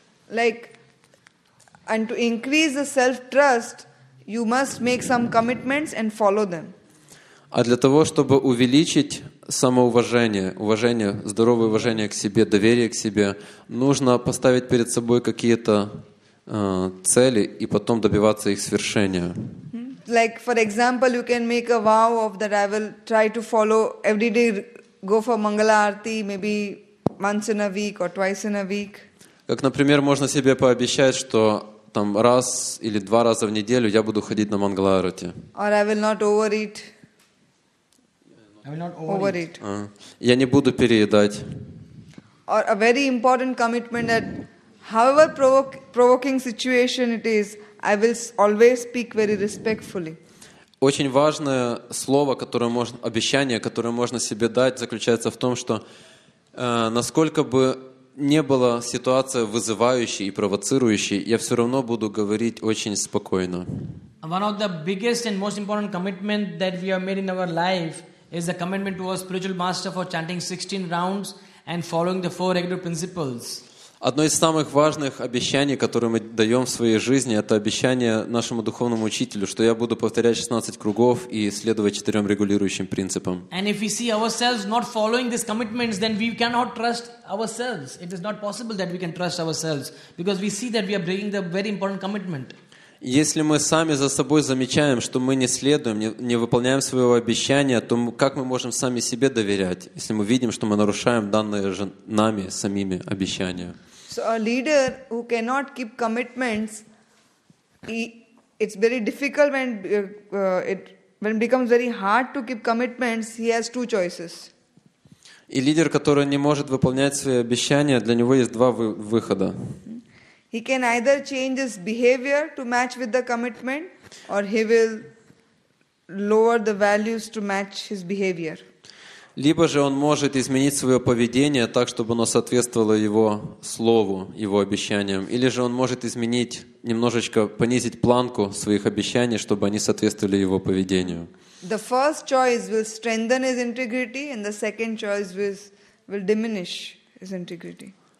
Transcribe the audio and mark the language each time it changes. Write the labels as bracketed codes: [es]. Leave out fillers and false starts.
[en] Like, and to increase the self-trust, you must make some commitments and follow them. [ru] А для того, чтобы увеличить самоуважение, уважение, здоровое уважение к себе, доверие к себе, нужно поставить перед собой какие-то цели и потом добиваться их свершения. [en] Like, for example, you can make a vow of that I will try to follow every day, go for Mangala Arati, maybe once in a week or twice in a week. [ru] Как, например, можно себе пообещать, что там раз или два раза в неделю я буду ходить на Мангаларати. [en] Or I will not overeat. I will not overeat. [ru] Я не буду переедать. [en] Or a very important commitment that however provoking situation it is, I will always speak very respectfully. [ru] Очень важное слово, которое можно, обещание, которое можно себе дать, заключается в том, что насколько бы не была ситуация вызывающей и провоцирующей, я все равно буду говорить очень спокойно. [en] One of the biggest and most important commitment that we have made in our life is the commitment to our spiritual master for chanting 16 rounds and following the four regular principles. [ru] Одно из самых важных обещаний, которые мы даем в своей жизни, это обещание нашему духовному учителю, что я буду повторять 16 кругов и следовать 4 регулирующим принципам. [en] And if we see ourselves not following these commitments, then we cannot trust ourselves. It is not possible that we can trust ourselves, because we see that we are breaking the very important commitment. [ru] Если мы сами за собой замечаем, что мы не следуем, не выполняем своего обещания, то как мы можем сами себе доверять, если мы видим, что мы нарушаем данные же нами самими обещания? [en] So a leader who cannot keep commitments, it's very difficult when it becomes very hard to keep commitments, he has two choices. [ru] И лидер, который не может выполнять свои обещания, для него есть два выхода. [en] He can either change his behavior to match with the commitment, or he will lower the values to match his behavior. [ru] Либо же он может изменить свое поведение так, чтобы оно соответствовало его слову, его обещаниям, или же он может изменить немножечко, понизить планку своих обещаний, чтобы они соответствовали его поведению. [en] The first choice will strengthen his integrity, and the second choice will diminish his integrity.